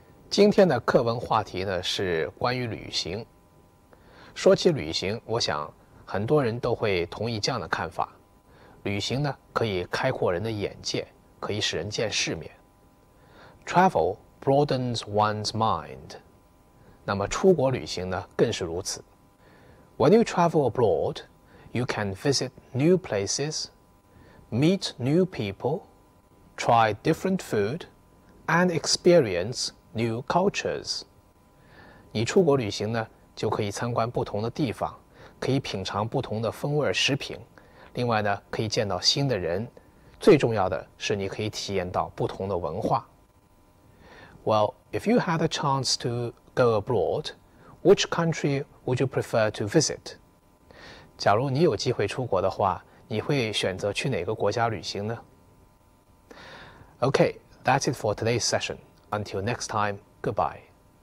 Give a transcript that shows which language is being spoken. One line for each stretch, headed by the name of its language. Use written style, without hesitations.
Chinese: 今天的课文话题呢，是关于旅行。说起旅行，我想很多人都会同意这样的看法。旅行呢，可以开阔人的眼界，可以使人见世面。
English: Travel broadens one's mind.
Chinese: 那么出国旅行呢，更是如此。
English: When you travel abroad,You can visit new places, meet new people, try different food, and experience new cultures.
Chinese: 你出国旅行呢，就可以参观不同的地方，可以品尝不同的风味食品，另外呢，可以见到新的人，最重要的是你可以体验到不同的文化。
English: Well, if you had a chance to go abroad, which country would you prefer to visit?
Chinese: 假如你有机会出国的话，你会选择去哪个国家旅行呢？
English: Okay, that's it for today's session. Until next time, goodbye.